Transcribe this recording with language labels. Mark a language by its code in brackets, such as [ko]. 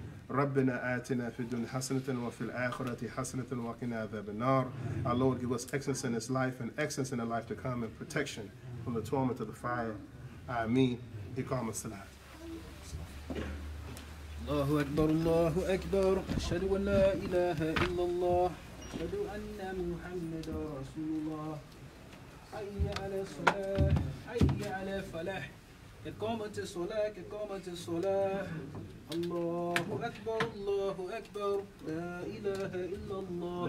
[ar] ربنا آتنا في الدنيا حسنة وفي الآخرة حسنة وقنا عذاب النار. [en] Our Lord, give us excellence in this life and excellence in the life to come and protection from the torment of the fire. [ar] Ameen. إقام الصلاة. الله أكبر الله أكبر أشهد أن لا إله إلا الله أشهد أن محمدا رسول الله حي على الصلاة حي على الفلاح إقامة الصلاة إقامة الصلاة الله أكبر الله أكبر لا إله إلا الله